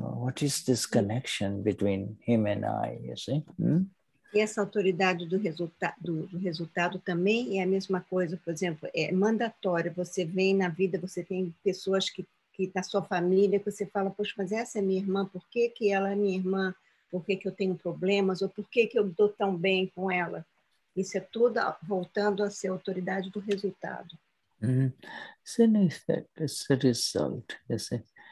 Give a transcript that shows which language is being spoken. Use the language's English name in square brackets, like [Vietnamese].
[English] What is this connection between him and I, you see? [Portuguese] E essa autoridade do resultado também é a mesma coisa, por exemplo, é mandatório, você vem na vida, você tem pessoas que tá sua família, que você fala, poxa, mas essa é minha irmã, por que que ela é minha irmã? Por que que eu tenho problemas? Ou por que que eu dou tão bem com ela? Isso é tudo voltando a ser autoridade do resultado. [English] It's an effect, it's a result, you see.